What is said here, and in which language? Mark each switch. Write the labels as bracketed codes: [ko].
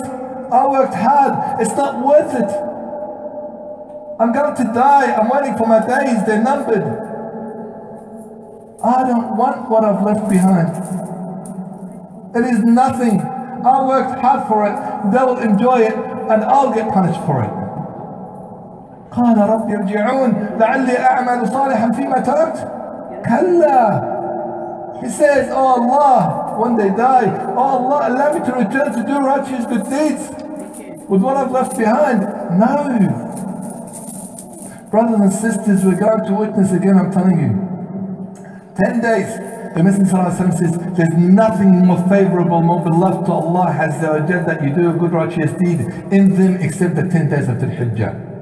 [en] I worked hard. It's not worth it. I'm going to die. I'm waiting for my days. They're numbered. I don't want what I've left behind. It is nothing. I worked hard for it. They'll enjoy it and I'll get punished for it. [ar] قَالَ رَبِّ ارْجِعُونَ لَعَلِّي أَعْمَلُ صَالِحًا فِي مَا تَرَكْتُ كَلَّا. [en] He says, oh Allah, when they die. Oh Allah, allow me to return to do righteous good deeds with what I've left behind. No. Brothers and sisters, we're going to witness again, I'm telling you. 10 days. The Messenger says, there's nothing more favorable, more beloved to Allah Azza wa Jal that you do a good righteous deed in them except the 10 days of the Hijjah.